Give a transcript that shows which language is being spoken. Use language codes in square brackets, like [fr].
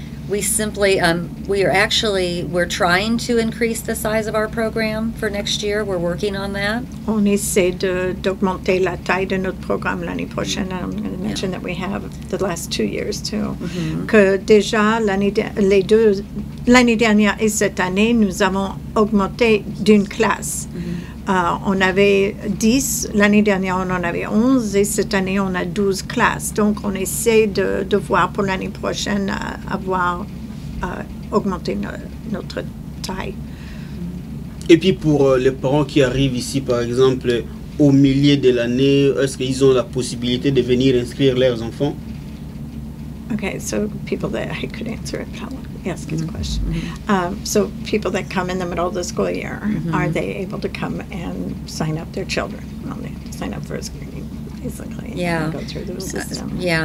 [en] We're trying to increase the size of our program for next year. We're working on that. [fr] On essaie d'augmenter la taille de notre programme l'année prochaine. [en] I'm going to mention that we have the last 2 years too. Mm-hmm. [fr] Que déjà l'année dernière et cette année, nous avons augmenté d'une classe. On avait 10, l'année dernière on en avait 11 et cette année on a 12 classes. Donc on essaie de voir pour l'année prochaine avoir augmenté notre taille. Et puis pour les parents qui arrivent ici par exemple au milieu de l'année, est-ce qu'ils ont la possibilité de venir inscrire leurs enfants? [en] Okay, so people that I could answer it, probably. Ask his question. So people that come in the middle of the school year, are they able to come and sign up their children? Well, they have to sign up for a screening, basically, and go through the system.